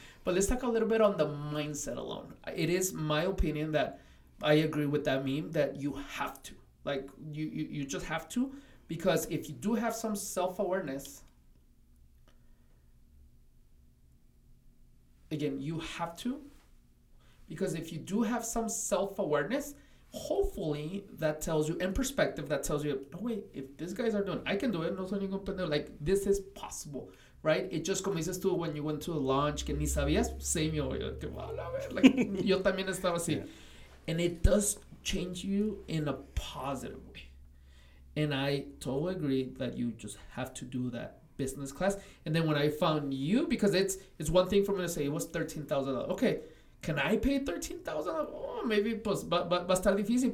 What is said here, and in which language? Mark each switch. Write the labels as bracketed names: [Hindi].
[English] But let's talk a little bit on the mindset alone. It is my opinion that I agree with that meme, that you have to, like, you just have to, because if you do have some self-awareness, again, you have to. Because if you do have some self-awareness, hopefully that tells you, in perspective, that tells you, no, wait, if these guys are doing it, I can do it. No, like, this is possible, right? It just comes to when you went to a launch, [Spanish] que ni sabías, [English] same, like, [Spanish] yo también estaba así. [English] Yeah. And it does change you in a positive way. And I totally agree that you just have to do that business class. And then when I found you, because it's one thing for me to say it was $13,000. Okay. Can I pay $13,000? Oh, maybe, but [Spanish] va a estar difícil.